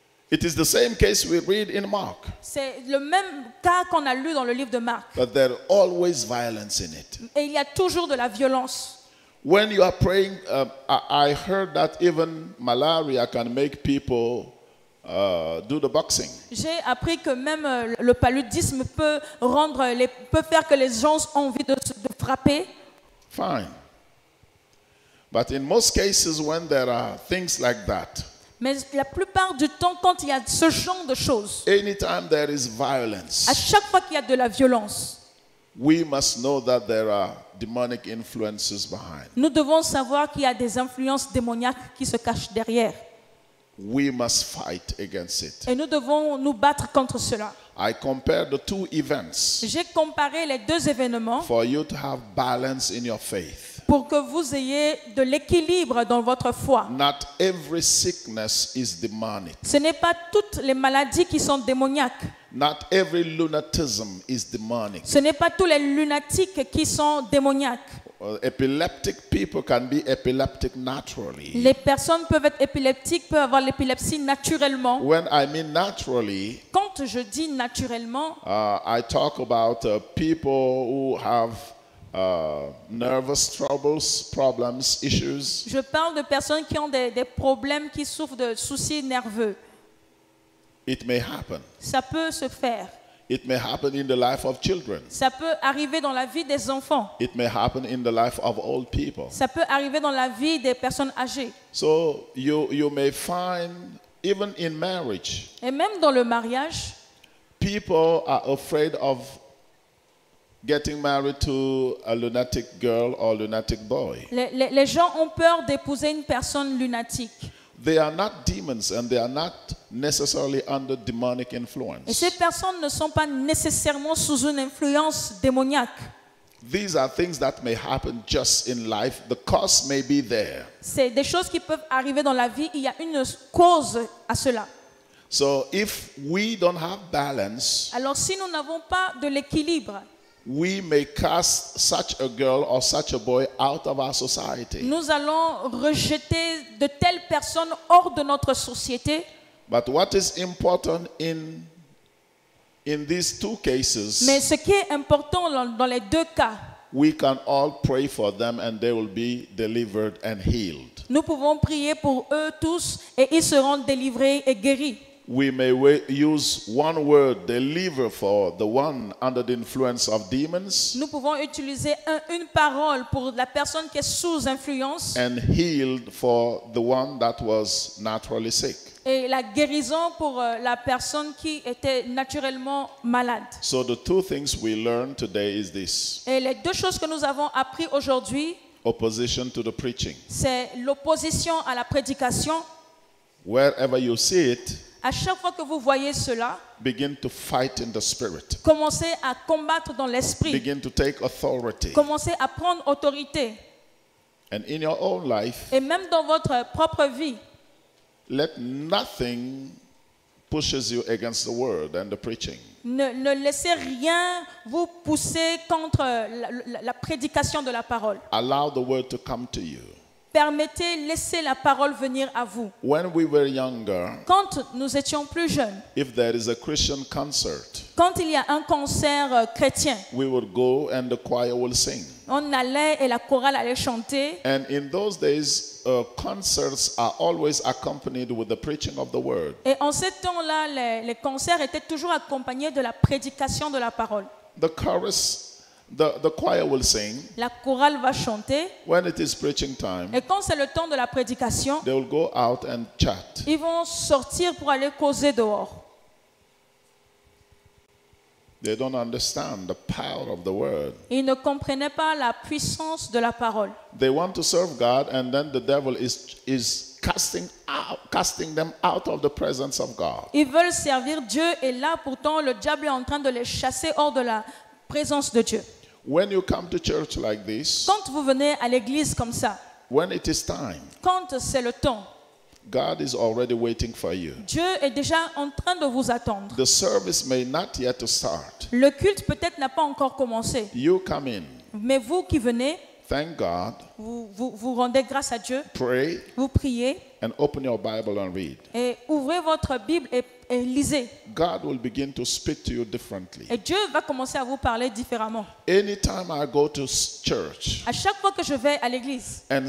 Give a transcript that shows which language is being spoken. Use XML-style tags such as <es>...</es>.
<en>It is the same case we read in Mark.</en> <fr>C'est le même cas qu'on a lu dans le livre de Marc.</fr> <en>But there is always violence in it.</en> <fr>Et il y a toujours de la violence.</fr> <en>When you are praying, I heard that even malaria can make people do the boxing.</en> <fr>J'ai appris que même le paludisme peut faire que les gens ont envie de frapper.</fr> <en>Fine. But in most cases, when there are things like that.</en> <fr>Mais la plupart du temps, quand il y a ce genre de choses.</fr> <en>Anytime there is violence.</en> <fr>À chaque fois qu'il y a de la violence.</fr> <en>We must know that there are demonic influences behind.</en> <fr>Nous devons savoir qu'il y a des influences démoniaques qui se cachent derrière.</fr> <en>We must fight against it.</en> <fr>Et nous devons nous battre contre cela.</fr> <en>I compare the two events.</en> <fr>J'ai comparé les deux événements.</fr> <en>For you to have balance in your faith.</en> <fr>Pour que vous ayez de l'équilibre dans votre foi.</fr> <en>Not every sickness is demonic.</en> <fr>Ce n'est pas toutes les maladies qui sont démoniaques.</fr> <en>Not every lunatism is demonic.</en> <fr>Ce n'est pas tous les lunatiques qui sont démoniaques.</fr> <en>Epileptic people can be epileptic naturally.</en> <fr>Les personnes peuvent être épileptiques, peuvent avoir l'épilepsie naturellement.</fr> <en>When I mean naturally,</en> <fr>quand je dis naturellement,</fr> <en>I talk about people who have nervous troubles, problems, issues.</en> <fr>Je parle de personnes qui ont des problèmes, qui souffrent de soucis nerveux.</fr> <en>It may happen.</en> <fr>Ça peut se faire.</fr> <en>It may happen in the life of children.</en> <fr>Ça peut arriver dans la vie des enfants.</fr> <en>It may happen in the life of old people.</en> <fr>Ça peut arriver dans la vie des personnes âgées.</fr> <en>So you may find even in marriage.</en> <fr>Et même dans le mariage.</fr> <en>People are afraid of getting married to a lunatic girl or lunatic boy.</en> <fr>Les gens ont peur d'épouser une personne lunatique.</fr> <en>They are not demons and they are not necessarily under demonic influence.</en> <fr>Et ces personnes ne sont pas nécessairement sous une influence démoniaque.</fr> <en>These are things that may happen just in life. The cause may be there.</en> <fr>C'est des choses qui peuvent arriver dans la vie, il y a une cause à cela.</fr> <en>So if we don't have balance,</en> <fr>alors si nous n'avons pas de l'équilibre,</fr> <en>we may cast such a girl or such a boy out of our society.</en> <fr>Nous allons rejeter de telles personnes hors de notre société.</fr> <en>But what is important in these two cases?</en> <fr>Mais ce qui est important dans les deux cas.</fr> <en>We can all pray for them and they will be delivered and healed.</en> <fr>Nous pouvons prier pour eux tous et ils seront délivrés et guéris.</fr> <en>We may use one word, deliver, for the one under the influence of demons.</en> <fr>Nous pouvons utiliser une parole pour la personne qui est sous influence.</fr> <en>And healed for the one that was naturally sick.</en> <fr>Et la guérison pour la personne qui était naturellement malade.</fr> <en>So the two things we learned today is this.</en> <fr>Et les deux choses que nous avons appris aujourd'hui.</fr> <en>Opposition to the preaching.</en> <fr>C'est l'opposition à la prédication.</fr> <en>Wherever you see it.</en> <fr>À chaque fois que vous voyez cela,</fr> <en>begin to fight in the spirit.</en> <fr>Commencez à combattre dans l'esprit.</fr> <en>Begin to take authority.</en> <fr>Commencez à prendre autorité.</fr> <en>And in your own life,</en> <fr>et même dans votre propre vie,</fr> <en>let nothing pushes you against the word and the preaching.</en> <fr>Ne laissez rien vous pousser contre la prédication de la parole.</fr> <en>Allow the word to come to you.</en> <fr>Permettez, laissez la parole venir à vous.</fr> <en>When we were younger,</en> <fr>quand nous étions plus jeunes,</fr> <en>if there is a Christian concert,</en> <fr>quand il y a un concert chrétien,</fr> <en>we would go and the choir will sing.</en> <fr>On allait et la chorale allait chanter.</fr> <en>And in those days, concerts are always accompanied with the preaching of the word.</en> <fr>Et en ces temps-là, les concerts étaient toujours accompagnés de la prédication de la parole.</fr> <en>The chorus, the choir will sing.</en> <fr>La chorale va chanter.</fr> <en>When it is preaching time,</en> <fr>et quand c'est le temps de la prédication,</fr> <en>they will go out and chat.</en> <fr>Ils vont sortir pour aller causer dehors.</fr> <en>They don't understand the power of the word.</en> <fr>Ils ne comprenaient pas la puissance de la parole.</fr> <en>They want to serve God, and then the devil is casting them out of the presence of God.</en> <fr>Ils veulent servir Dieu, et là pourtant le diable est en train de les chasser hors de la présence de Dieu.</fr> <en>When you come to church like this,</en> <fr>quand vous venez à l'église comme ça,</fr> <en>when it is time,</en> <fr>quand c'est le temps,</fr> <en>God is already waiting for you.</en> <fr>Dieu est déjà en train de vous attendre.</fr> <en>The service may not yet start.</en> <fr>Le culte peut-être n'a pas encore commencé.</fr> <en>You come in.</en> <fr>Mais vous qui venez,</fr> <en>thank God.</en> <fr>Vous rendez grâce à Dieu.</fr> <en>Pray.</en> <fr>Vous priez.</fr> <en>And open your Bible and read.</en> <fr>Et ouvrez votre Bible et lisez.</fr> <en>God will begin to speak to you differently.</en> <fr>Et Dieu va commencer à vous parler différemment.</fr> <en>Anytime I go to church.</en> <fr>À chaque fois que je vais à l'église.</fr>